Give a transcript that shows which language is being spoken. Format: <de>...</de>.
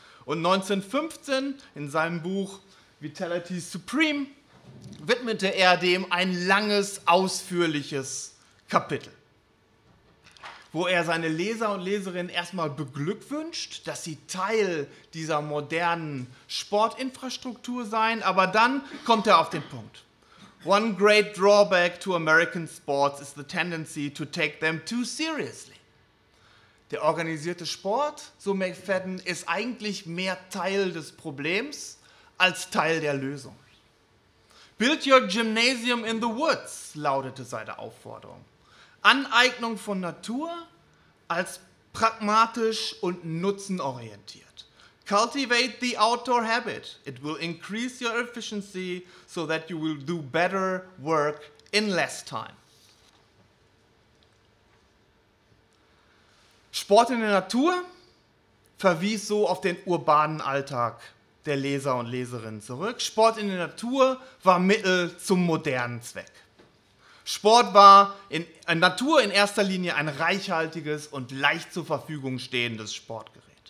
<de>Und 1915, in seinem Buch Vitality Supreme, widmete er dem ein langes, ausführliches Kapitel, wo er seine Leser und Leserinnen erstmal beglückwünscht, dass sie Teil dieser modernen Sportinfrastruktur seien. Aber dann kommt er auf den Punkt.</de> <en>One great drawback to American sports is the tendency to take them too seriously.</en> <de>Der organisierte Sport, so McFadden, ist eigentlich mehr Teil des Problems als Teil der Lösung.</de> <en>Build your gymnasium in the woods,</en> <de>lautete seine Aufforderung. Aneignung von Natur als pragmatisch und nutzenorientiert.</de> <en>Cultivate the outdoor habit. It will increase your efficiency so that you will do better work in less time.</en> <de>Sport in der Natur verwies so auf den urbanen Alltag der Leser und Leserinnen zurück. Sport in der Natur war Mittel zum modernen Zweck. Sport war in Natur in erster Linie ein reichhaltiges und leicht zur Verfügung stehendes Sportgerät.</de>